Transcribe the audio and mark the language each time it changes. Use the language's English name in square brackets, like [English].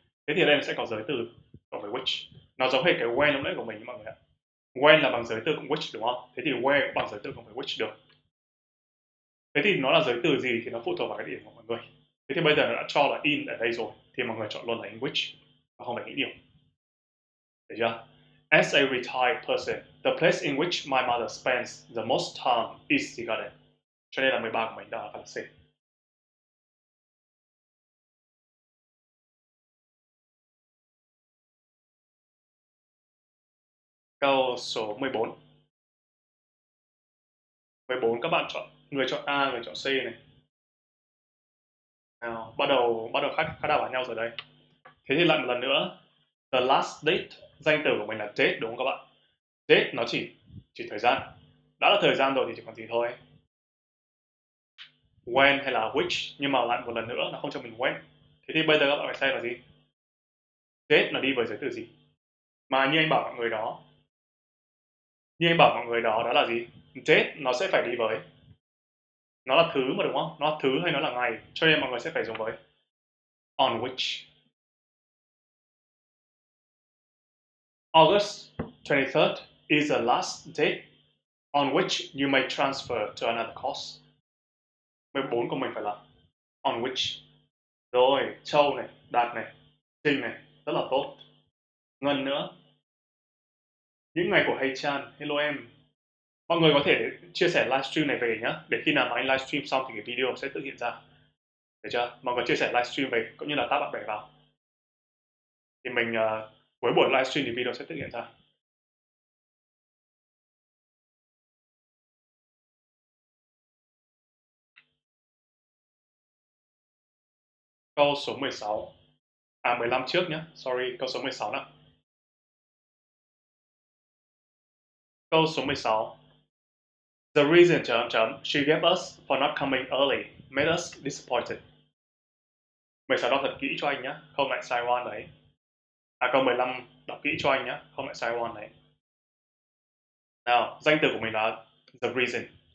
[Vietnamese] Thế thì ở đây nó sẽ có giới từ của cái which. Nó giống hệt cái when lúc nãy của mình nhưng mọi người ạ. When là bằng giới từ của which đúng không? Thế thì where bằng giới từ của cái which được. Thế thì nó là giới từ gì thì nó phụ thuộc vào cái điểm của mọi người. Thế thì bây giờ nó đã cho là in ở đây rồi, thì mọi người chọn luôn là in which và không phải nghĩ điểm. Được chưa? [English] As a retired person, the place in which my mother spends the most time is the garden. [Vietnamese] Cho nên là 13 của mình đã là phần C. Câu số 14. 14 các bạn chọn, người chọn A, người chọn C này. Nào, bắt đầu khá đảo bản nhau rồi đây. Thế thì lại một lần nữa, the last date, danh từ của mình là date đúng không các bạn? Date nó chỉ thời gian. Đã là thời gian rồi thì chỉ còn gì thôi. When hay là which, nhưng mà lại một lần nữa nó không cho mình when. Thế thì bây giờ các bạn phải xem là gì? Date nó đi với giới từ gì? Mà như anh bảo mọi người đó, như anh bảo mọi người đó là gì? Date nó sẽ phải đi với. Nó là thứ mà đúng không? Nó là thứ hay nó là ngày. Cho nên mọi người sẽ phải dùng với on which. [English] August 23rd is the last date on which you may transfer to another course. [Vietnamese] 14 của mình phải là on which. Rồi, Châu này, Đạt này, Trinh này, rất là tốt. Ngân nữa. Những ngày của Hay Chan, hello em. Mọi người có thể chia sẻ livestream này về nhá. Để khi nào mà anh livestream xong thì cái video sẽ tự hiện ra. Được chưa? Mọi người chia sẻ livestream về cũng như là tag bạn bè vào. Thì mình cuối buổi livestream thì video sẽ tự hiện ra. Câu số 16. À 15 trước nhá. Sorry, câu số 16 nào. Câu số 16. [English] The reason [Vietnamese] chấm chấm [English] she gave us for not coming early made us disappointed. [Vietnamese] 16 đọc thật kỹ cho anh nhé, không lại sai one đấy. À câu 15 đọc kỹ cho anh nhé, không lại sai one đấy. Nào, danh từ của mình là the reason.